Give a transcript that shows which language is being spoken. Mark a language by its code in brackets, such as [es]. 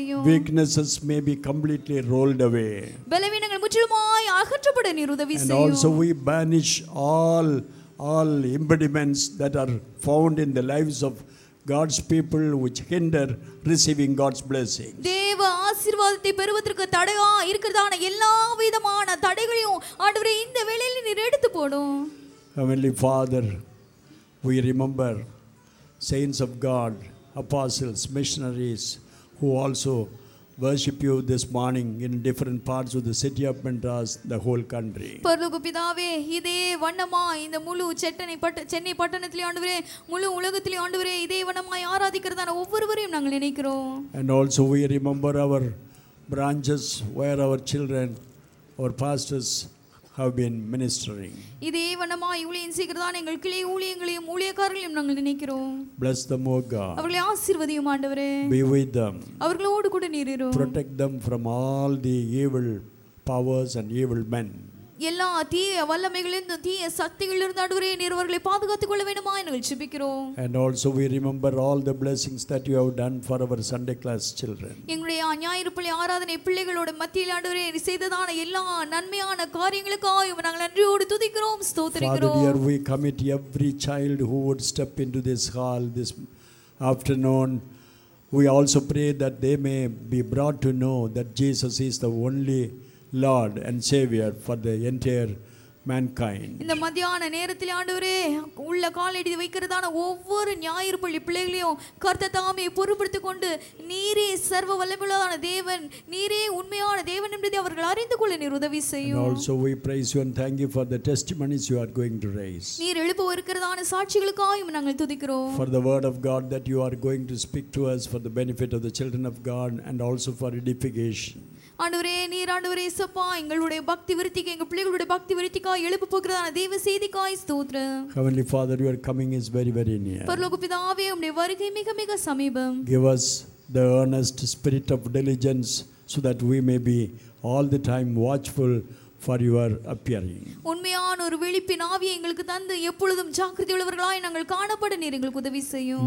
[en] Weaknesses may be completely rolled away. And also we banish all impediments that are found in the lives of God's people which hinder receiving God's blessings. [ta] தேவ ஆசீர்வாதத்தை பெறுவதற்கு தடையா இருக்கிறதான எல்லா விதமான தடைகளையும் ஆண்டவரே இந்த வேளையில் நீர் எடுத்து போடும். [en] Heavenly Father, we remember saints of God, apostles, missionaries who also worship you this morning in different parts of the city of Madras, the whole country. [ta] பரலோக பிதாவே இதே வண்ணமாய் இந்த முழு சென்னை பட்டணத்திலே ஆண்டவரே முழு உலகத்திலே ஆண்டவரே இதே வண்ணமாய் ஆராதிக்கிறதான ஒவ்வொருவரையும் நாங்கள் நினைக்கிறோம். [en] And also we remember our branches where our children, our pastors have been ministering. [ta] இதே வண்ணமாய் ஊழியம் செய்கிறதான எங்கள் கிளை ஊழியங்களையும் ஊழியக்காரர்களையும் நாங்கள் நினைக்கிறோம். [en] Bless them, O God. [ta] அவர்களை ஆசீர்வதியும் ஆண்டவரே. [en] Be with them. [ta] அவர்களோடு கூட நீர் இரு. [en] Protect them from all the evil powers and evil men. [ta] எல்லா தீய வல்லமைகளிலிருந்தும் தீய சக்திகளிலிருந்து ஆண்டவரே நீர் அவர்களை பாதுகாத்துக் கொள்ள வேண்டுமா என்று ஜெபிக்கிறோம். [en] And also we remember all the blessings that you have done for our Sunday class children. [ta] எங்களுடைய ஞாயிறுப்பள்ளி ஆராதனை பிள்ளைகளோடு மத்தியில் ஆண்டவரே நீர் செய்ததான எல்லா நன்மையான காரியங்களுக்காயும் நாங்கள் நன்றியோடு துதிக்கிறோம் ஸ்தோத்திரிக்கிறோம். [en] Father, we commit every child who would step into this hall this afternoon. We also pray that they may be brought to know that Jesus is the only Lord and Savior for the entire mankind. [ta] இந்த மத்தியான நேரத்தில் ஆண்டவரே உள்ள காலடி வைக்கிறதான ஒவ்வொரு ஞாயிறுப்பள்ளி பிள்ளைகளையும் கர்த்தர் தாமே பொறுப்படுத்திக் கொண்டு நீரே சர்வ வல்லமையுள்ளதான தேவன் நீரே உண்மையான தேவன் என்பதை அவர்கள் அறிந்து கொள்ள நீர் உதவி செய்யும். [en] And also we praise you and thank you for the testimonies you are going to raise. [ta] நீர் எழுப்பவிருக்கிறதான சாட்சிகளுக்காயும் நாங்கள் துதிக்கிறோம். [en] For the word of God that you are going to speak to us for the benefit of the children of God and also for edification. [ta] ஆண்டவரே நீர் ஆண்டவரே சப்பா எங்களுடைய பக்தி விருத்திக்கு எங்க பிள்ளைகளுடைய பக்தி விருத்திக்காய் எழுப்பு போகிறதான தேவ செய்திக்காய் ஸ்தோத்ரம். [en] Heavenly Father, your coming is very very near. [ta] பரலோக பிதாவே உம்முடைய வருகை மிக மிக சமீபம். [en] Give us the earnest spirit of diligence so that we may be all the time watchful for your appearing. [ta] உண்மையான ஒரு விழிப்பின் ஆவியை எங்களுக்கு தந்து எப்பொழுதும் ஜாக்கிரதை உள்ளவர்களாய் நாங்கள் காணப்பட நீர் எங்களுக்கு உதவி செய்யும்.